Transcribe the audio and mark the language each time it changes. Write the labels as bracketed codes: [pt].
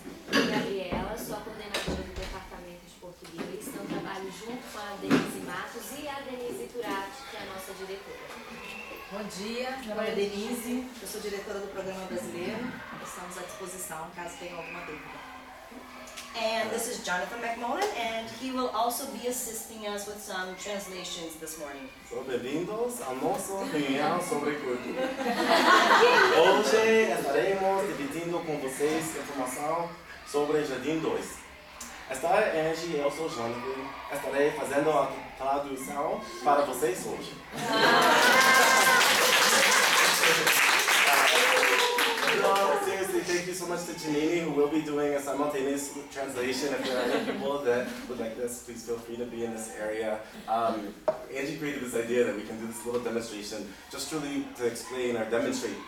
[pt] Gabriela, sou a coordenadora do Departamento de Português. Então, trabalho junto com a Denise Matos e a Denise Turati, que é a nossa diretora. Bom dia, meu nome é Denise. Eu sou diretora do Programa Brasileiro. Estamos à disposição, caso tenha alguma dúvida. [en] And this is Jonathan McMullen, and he will also be assisting us with some translations this morning. [pt] Bem-vindos à nossa opinião sobre cultura. Hoje estaremos dividindo com vocês informação sobre Jardim 2. Esta é Angie, eu sou Jonathan. Estarei fazendo a tradução para vocês hoje. [en] seriously, thank you so much to Janini, who will be doing a simultaneous translation. If there are any people that would like this, please feel free to be in this area. Angie created this idea that we can do this little demonstration just really to explain or demonstrate.